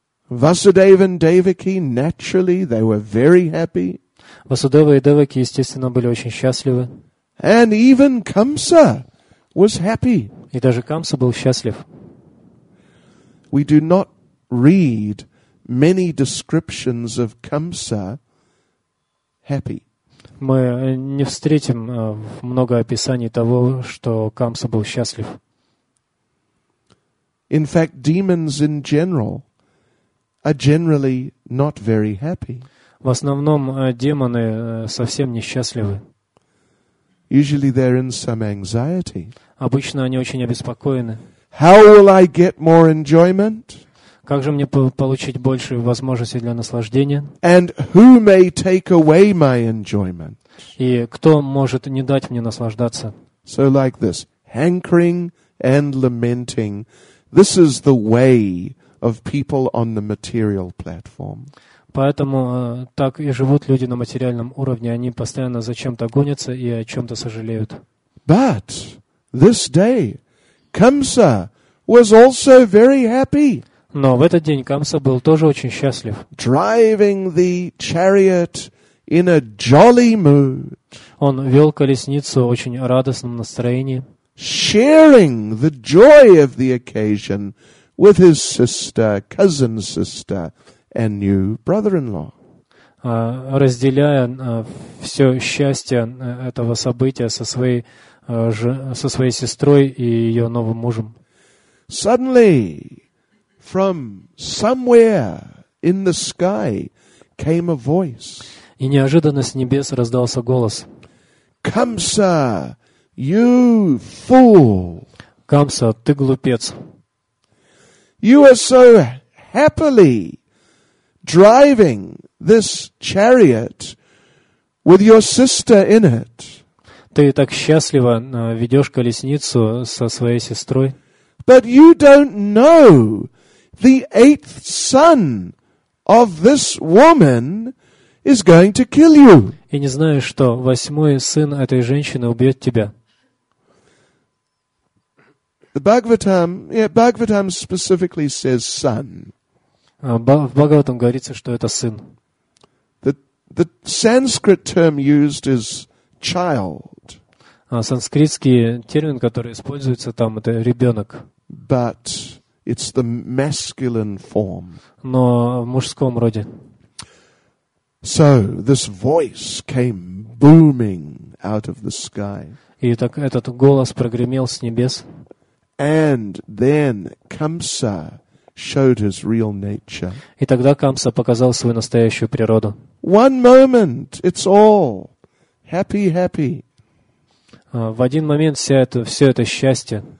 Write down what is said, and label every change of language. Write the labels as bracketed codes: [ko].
[en] Vasudeva and Devaki, naturally, they were very happy. [ru] Васудева и Девики, естественно, были очень счастливы. [en] And even Kamsa was happy. [ru] И даже Камса был счастлив. [en] We do not read many descriptions of Kamsa happy. [ru] Мы не встретим много описаний того, что Камса был счастлив. [en] In fact, demons in general are generally not very happy. [ru] В основном демоны совсем несчастливы. [en] Usually they're in some anxiety. [ru] Обычно они очень обеспокоены. [en] How will I get more enjoyment? [ru] Как же мне получить больше возможностей для наслаждения? [en] And who may take away my enjoyment? [ru] И кто может не дать мне наслаждаться? [en] So like this, hankering and lamenting. This is the way of people on the material platform. [ru] Поэтому так и живут люди на материальном уровне. Они постоянно за чем-то гонятся и о чем-то сожалеют. [en] But this day, Kamsa was also very happy. [ru] Но в этот день Камса был тоже очень счастлив. [en] Driving the chariot in a jolly mood. [ru] Он вел колесницу в очень радостном настроении. [en] Sharing the joy of the occasion with his sister, cousin sister, and new brother-in-law. [ru] Разделяя все счастье этого события со своей сестрой и ее новым мужем. [en] Suddenly, from somewhere in the sky came a voice. [ru] И неожиданно с небес раздался голос. [en] Kamsa, you fool! [ru] Камса, ты глупец! [en] You are so happily driving this chariot with your sister in it. [ru] Ты так счастливо ведешь колесницу со своей сестрой. [en] But you don't know the eighth son of this woman is going to kill you. [ru] И не знаешь, что восьмой сын этой женщины убьет тебя. [en] The Bhagavatam, Bhagavatam specifically says son. [ru] В Бхагаватам говорится, что это сын. [en] The Sanskrit term used is child. [ru] Санскритский термин, который используется там, это ребенок. [en] But it's the masculine form. [ru] Но в мужском роде. [en] So this voice came booming out of the sky. [ru] И так этот голос прогремел с небес. [en] And then Kamsa showed his real nature. [ru] И тогда Камса показал свою настоящую природу. [en] One moment, it's all happy, happy. [ru] В один момент все это счастье.